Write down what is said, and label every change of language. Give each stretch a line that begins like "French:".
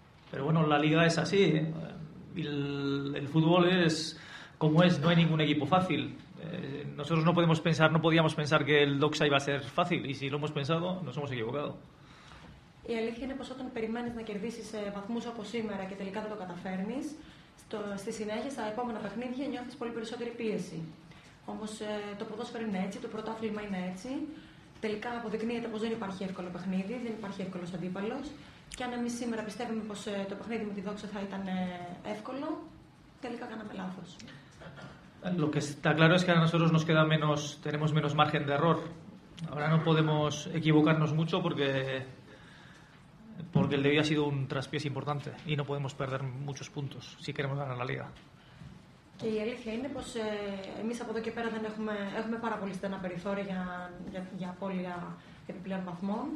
Spanish: Pero bueno, la liga es así, ¿eh? El fútbol es como es, no hay ningún equipo fácil. Nosotros no podíamos pensar que el Doxa iba a ser fácil y si lo hemos pensado, nos hemos equivocado.
Greek: Η αλήθεια είναι πως όταν περιμένεις να κερδίσεις βαθμούς όπως σήμερα και τελικά δεν το καταφέρνεις, στη συνέχεια, στα επόμενα παιχνίδια, νιώθεις πολύ περισσότερη πίεση. Όμως το ποδόσφαιρο είναι έτσι, το πρωτάθλημα είναι έτσι. Τελικά αποδεικνύεται πως δεν υπάρχει εύκολο παιχνίδι, δεν υπάρχει εύκολος αντίπαλος. Και αν εμείς σήμερα πιστεύουμε πως το παιχνίδι με τη Δόξα θα ήταν εύκολο, τελικά κάναμε λάθος.
Spanish: Lo que está claro es que a nosotros nos queda menos, tenemos menos margen de error. Ahora no podemos equivocarnos mucho porque porque el de hoy ha sido un traspiés importante y no podemos perder muchos puntos si queremos ganar la Liga.
Greek: Και η αλήθεια είναι πως εμείς από εδώ και πέρα δεν έχουμε πάρα πολύ στενά περιθώρια για απώλεια επιπλέον βαθμών.